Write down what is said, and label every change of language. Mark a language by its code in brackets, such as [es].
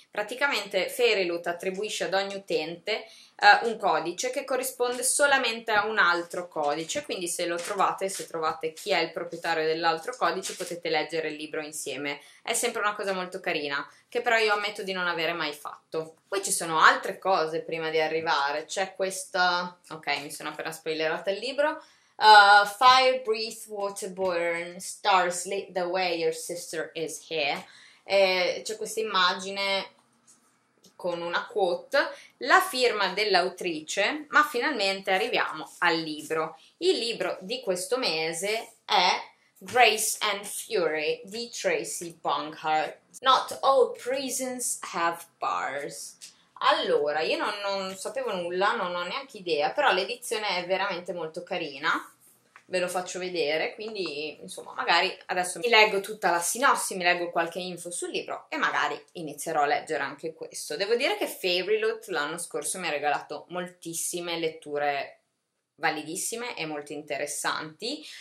[it] Praticamente Fairyloot attribuisce ad ogni utente un codice che corrisponde solamente a un altro codice, quindi se lo trovate, se trovate chi è il proprietario dell'altro codice, potete leggere il libro insieme. È sempre una cosa molto carina, che però io ammetto di non avere mai fatto. Poi ci sono altre cose prima di arrivare, c'è questa... Ok, mi sono appena spoilerata il libro. [en] Fire breathe, water burn, stars lit the way your sister is here. [it] C'è questa immagine con una quote, la firma dell'autrice, ma finalmente arriviamo al libro. Il libro di questo mese è Grace and Fury di Tracy Bunghart. [en] Not all prisons have bars. [it] Allora, io non sapevo nulla, non ho neanche idea, però l'edizione è veramente molto carina. Ve lo faccio vedere, quindi insomma magari adesso mi leggo tutta la sinossi, mi leggo qualche info sul libro e magari inizierò a leggere anche questo. Devo dire che Fairyloot l'anno scorso mi ha regalato moltissime letture validissime e molto interessanti.